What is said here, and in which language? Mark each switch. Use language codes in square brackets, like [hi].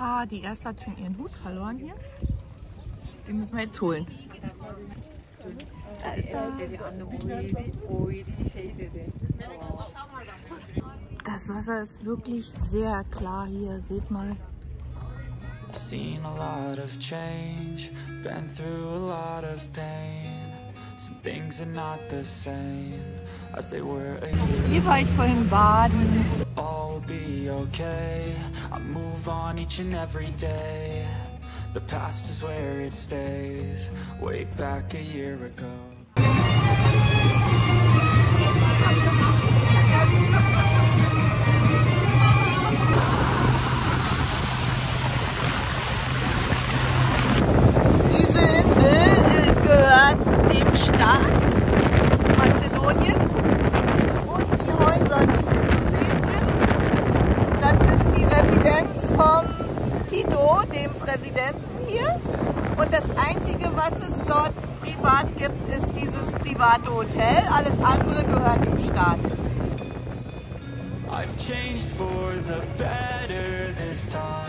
[de] Die erste hat schon ihren Hut verloren hier. Den müssen wir jetzt holen. Das Wasser ist wirklich sehr klar hier. Seht mal. [en] Seen a lot of change, been through a lot of pain. Some things are not the same as they were a year. [de] Hier war ich vorhin baden. [en] Be okay, I move on each and every day. The past is where it stays, way back a year ago. [de] Diese Insel gehört dem Staat Mazedonien und die Häuser, die hier zu sehen sind. Das ist die Residenz von Tito, dem Präsidenten hier. Und das Einzige, was es dort privat gibt, ist dieses private Hotel. Alles andere gehört dem Staat. [en] I've changed for the better this time.